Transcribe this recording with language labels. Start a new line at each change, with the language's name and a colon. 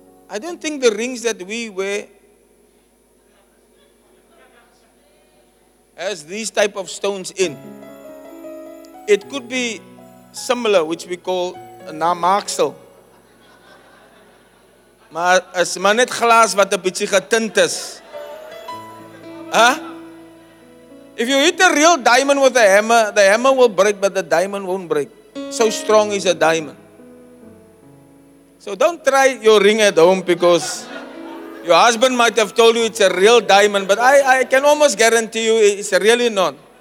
English: I don't think the rings that we wear has these type of stones in. It could be similar, which we call a namaksel.
Afrikaans: Maar is maar net glas wat 'n bietjie getint is. Huh?
English: If you hit a real diamond with a hammer, the hammer will break, but the diamond won't break. So strong is a diamond. So don't try your ring at home, because your husband might have told you it's a real diamond, but I can almost guarantee you it's really not.